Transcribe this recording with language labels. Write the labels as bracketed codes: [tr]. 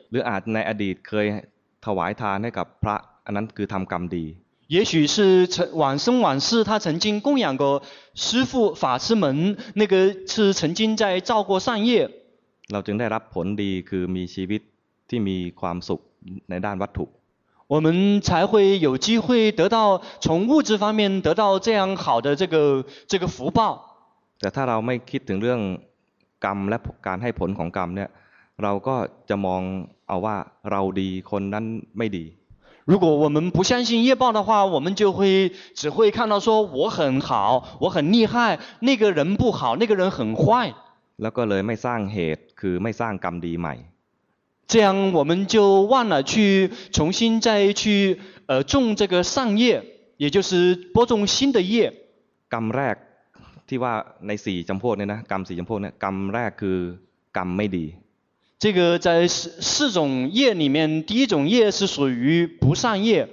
[th] หรืออาจในอดีตเคยถวายทานให้กับพระอันนั้นคือทำกรรมดี。 [zh] 也许是往生往世，他曾经供养过师父法师们，那个是曾经在造过善业。 [th] เราจึงได้รับผลดีคือมีชีวิตที่มีความสุขในด้านวัตถุ。 [zh] 我们才会有机会得到从物质方面得到这样好的这个福报。 [th] แต่ถ้าเราไม่คิดถึงเรื่องกรรมและการให้ผลของกรรมเนี่ยเราก็จะมองเอาว่าเราดีคนนั้นไม่ดี。 [zh] 如果我们不相信业报的话，我们就会只会看到说我很好，我很厉害，那个人不好，那个人很坏。 [th] แล้วก็เลยไม่สร้างเหตุคือไม่สร้างกรรมดีใหม่ [zh] 这样我们就忘了去重新再去种这个善业，也就是播种新的业。 [th] กรรมแรกที่ว่าในสี่จำพวกเนี่ยนะกรรมสี่จำพวกเนี่ยกรรมแรกคือกรรมไม่ดี。 [zh] 这个在四种业里面，第一种业是属于不善业。